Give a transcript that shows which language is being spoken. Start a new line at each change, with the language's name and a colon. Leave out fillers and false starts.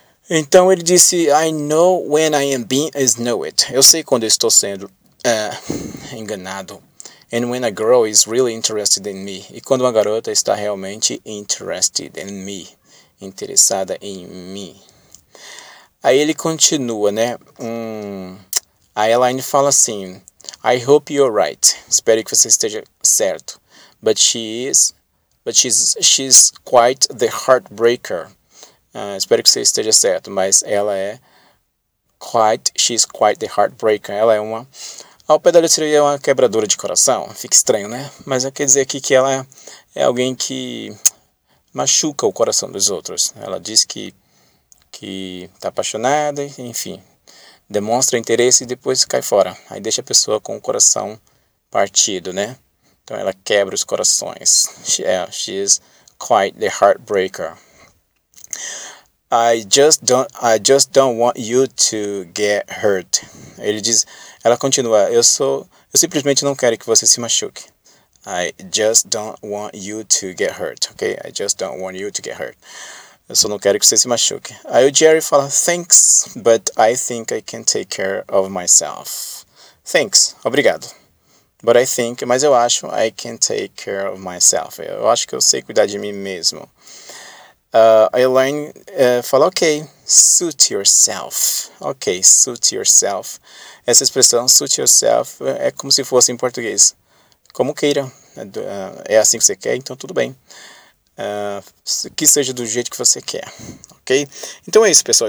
Portuguese: Então ele disse,
English: I know when I am being snowed.
Portuguese: Eu sei quando eu estou sendo enganado.
English: And when a girl is really interested in me.
Portuguese: E quando uma garota está realmente
English: interested in me.
Portuguese: Interessada em mim. Aí ele continua, né? Aí a Elaine fala assim,
English: I hope you're right.
Portuguese: Espero que você esteja certo.
English: But she's quite the heartbreaker.
Portuguese: Espero que você esteja certo, mas ela é
English: quite, she's quite the heartbreaker.
Portuguese: Ela é uma, ao pé da letra, é uma quebradora de coração. Fica estranho, né? Mas quer dizer aqui que ela é alguém que machuca o coração dos outros. Ela diz que está apaixonada, enfim, demonstra interesse e depois cai fora. Aí deixa a pessoa com o coração partido, né? Então ela quebra os corações.
English: She's quite the heartbreaker. I just don't want you to get hurt.
Portuguese: Ele diz, ela continua, eu simplesmente não quero que você se machuque.
English: I just don't want you to get hurt, ok? I just don't want you to get hurt.
Portuguese: Eu só não quero que você se machuque. Aí o Jerry fala,
English: thanks, but I think I can take care of myself. Thanks,
Portuguese: obrigado.
English: But I think,
Portuguese: mas eu acho,
English: I can take care of myself.
Portuguese: Eu acho que eu sei cuidar de mim mesmo. Elaine fala,
English: ok, suit yourself. Ok, suit yourself.
Portuguese: Essa expressão, suit yourself, é como se fosse em português. Como queira. É assim que você quer, então tudo bem. Que seja do jeito que você quer. Ok? Então é isso, pessoal.